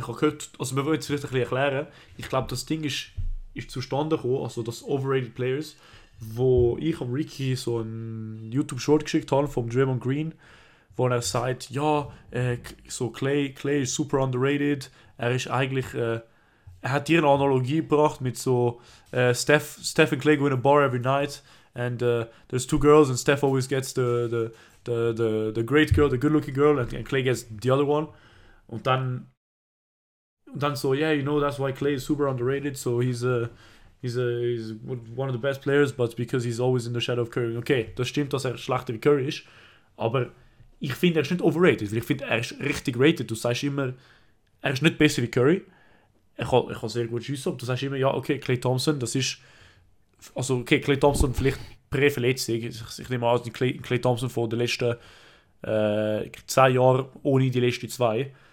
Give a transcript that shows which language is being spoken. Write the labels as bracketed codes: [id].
[de] Ich habe gehört, also wir wollen es vielleicht ein bisschen erklären. Ich glaube, das Ding ist zustande gekommen, also das Overrated Players, wo ich am Ricky so einen YouTube-Short geschickt habe vom Draymond Green, wo er sagt, ja, so Clay ist super underrated. Er ist eigentlich, er hat dir eine Analogie gebracht mit so Steph und Clay [en] go in a bar every night. And there's two girls and Steph always gets the great girl, the good-looking girl, and Clay gets the other one. [de] Und dann so, [en] yeah, you know, that's why Clay is super underrated. So he's one of the best players, but because he's always in the shadow of Curry. [de] Okay, das stimmt, dass er schlechter wie Curry ist. Aber ich finde, er ist nicht overrated. Ich finde, er ist richtig rated. Du sagst immer, er ist nicht besser wie Curry. Ich kann sehr gut schiessen, aber du sagst immer, ja, okay, Clay Thompson, das ist... Also, okay, Klay Thompson vielleicht pre-verletzig. Ich nehme an, Klay Thompson von den letzten 10 Jahren ohne die letzten 2.